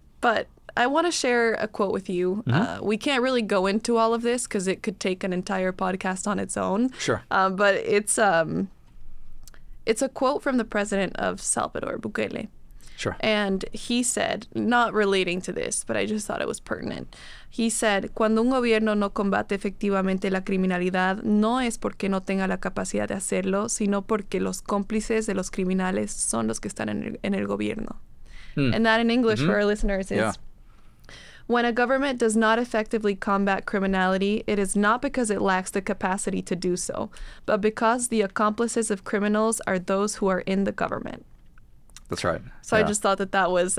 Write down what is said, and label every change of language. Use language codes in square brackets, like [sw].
[en] But I want to share a quote with you. Mm-hmm. We can't really go into all of this because it could take an entire podcast on its own. Sure. But it's a quote from the president of Salvador, Bukele. Sure. And he said, not relating to this, but I just thought it was pertinent. He said, [es] cuando un gobierno no combate efectivamente la criminalidad, no es porque no tenga la capacidad de hacerlo, sino porque los cómplices de los criminales son los que están en el gobierno. Mm. [en] And that in English for our listeners is, when a government does not effectively combat criminality, it is not because it lacks the capacity to do so, but because the accomplices of criminals are those who are in the government. That's right. So yeah. I just thought that was...